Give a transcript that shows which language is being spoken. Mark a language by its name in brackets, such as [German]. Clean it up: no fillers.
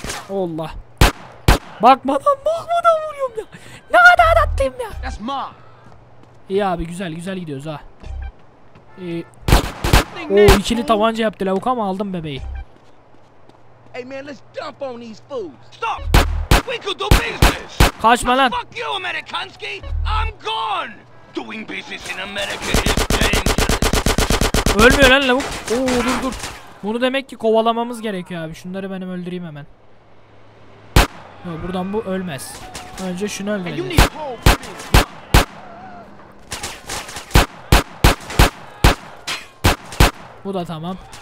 [Turkish] Allah. Bakmadan vuruyorum ya. Ne kadar attım ya. [English] That's mine. [Turkish] İyi abi, güzel gidiyoruz ha. İkili tavanca yaptı lavuk ama aldım bebeği. [English] Hey man, let's dump on these fools. Stop. We could do business. [Turkish] Kaçma lan. [English] Fuck you, Amerikanski. I'm gone. Doing business in America is dangerous. [Turkish] Ölmüyor lan lavuk. Oo, dur. Bunu demek ki kovalamamız gerekiyor abi. Şunları benim öldüreyim hemen. Yok, buradan bu ölmez. Önce şunu öldürelim. Bu da tamam.